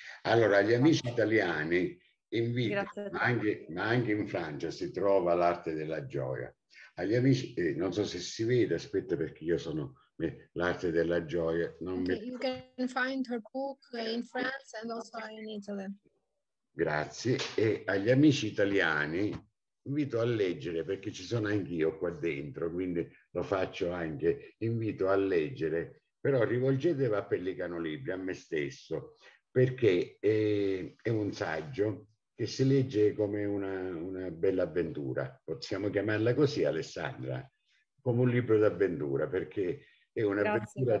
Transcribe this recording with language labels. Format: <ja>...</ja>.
<it>Allora, gli amici italiani, in vita, ma anche in Francia, si trova L'arte della gioia. Agli amici, non so se si vede, aspetta, perché io sono L'arte della gioia. Non</it> <en>okay, you can find her book in France and also in Italy.</en> <it>Grazie. E agli amici italiani invito a leggere, perché ci sono anch'io qua dentro, quindi lo faccio anche, invito a leggere, però rivolgetevi a Pellicano Libri, a me stesso, perché è un saggio che si legge come una bella avventura, possiamo chiamarla così, Alessandra, come un libro d'avventura, perché è un'avventura.</it>